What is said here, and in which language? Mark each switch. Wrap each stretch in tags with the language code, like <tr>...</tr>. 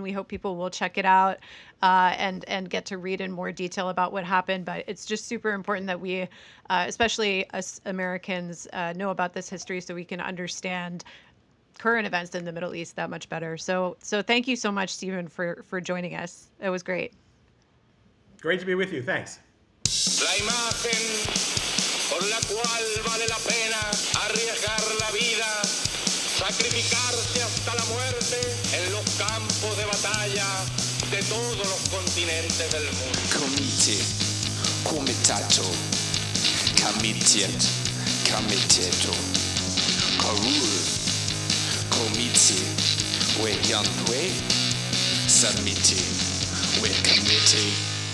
<en>We hope people will check it out and get to read in more detail about what happened. But it's just super important that we, especially us Americans, know about this history so we can understand current events in the Middle East that much better. So thank you so much, Stephen, for joining us. It was great. Great to be with you. Thanks.</en> <es>La imagen por la cual vale la pena arriesgar la vida, sacrificarse hasta la muerte en los campos de batalla de todos los continentes del mundo. Committee, comitato, committed, committeto, curule, committee, we're young, we're submitting, we're committee.</es>